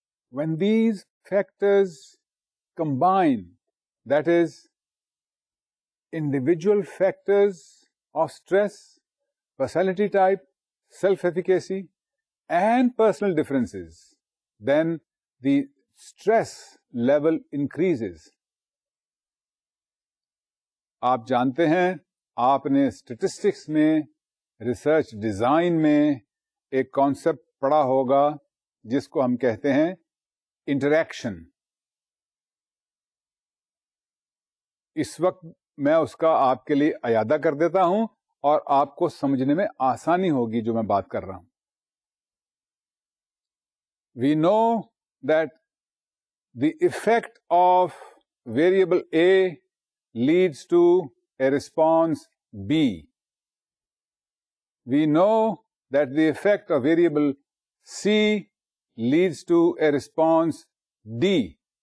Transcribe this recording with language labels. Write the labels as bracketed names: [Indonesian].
[English] when these factors combine, that is, individual factors of stress, personality type, self-efficacy, and personal differences, then the stress level increases. [Urdu] آپ جانتے ہیں آپ نے statistics میں, research design میں ایک کانسیپٹ پڑھا ہوگا جس کو ہم کہتے ہیں انٹریکشن. اس وقت میں اس کا آپ کے لیے ایادہ کر دیتا ہوں اور آپ کو سمجھنے میں آسانی ہوگی جو میں بات کر رہا ہوں. [English] We know that the effect of variable A leads to a response B. We know that the effect of variable C leads to a response D.